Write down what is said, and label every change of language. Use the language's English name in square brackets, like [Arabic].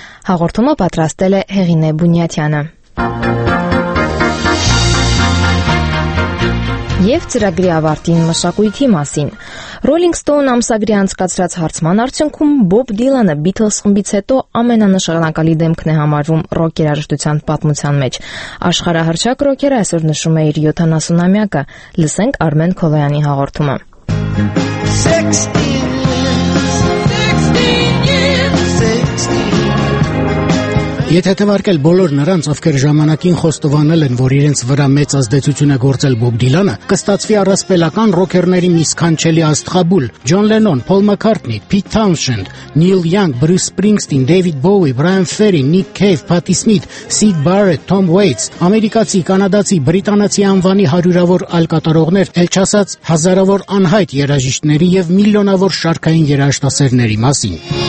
[Armenian] Հաղորդումը պատրաստել է Հեղինե Բունյատյանը։ Եվ ծրագրի ավարտին մշակույթի մասին։ Rolling Stone ամսագրի անցկացրած հարցման արդյունքում Bob Dylan-ը Beatles խմբից հետո ամենանշանակալի դեմքն է համարվում ռոք երաժշտության պատմության մեջ։ Աշխարհահռչակ ռոքերը այսօր նշում է իր 70-ամյակը։ Լսենք Արմեն Քոլոյանի հաղորդումը։ [English] Sixteen years, sixteen years. [Armenian] Եթե թվարկել բոլոր նրանց, ովքեր ժամանակին խոստովանել են, որ իրենց վրա մեծ ազդեցություն է գործել Բոբ Դիլանը, կստացվի առասպելական ռոքերների մի սքանչելի աստղաբուլ. Ջոն Լենոն, Փոլ Մակարտնի, Փիթ Թաունշենդ, Նիլ Յանգ, Բրյուս Սփրինգսթին, Դեյվիդ Բոուի, Բրայան Ֆերի, Նիք Քեյվ, Փաթի Սմիթ, Սիդ Բարետ, Թոմ Ուեյթս, ամերիկացի, կանադացի, բրիտանացի անվանի հարյուրավոր ալկատարողներ, ել չասած հազարավոր անհայտ երաժիշտների և միլիոնավոր շարքային երաժշտասերների մասին։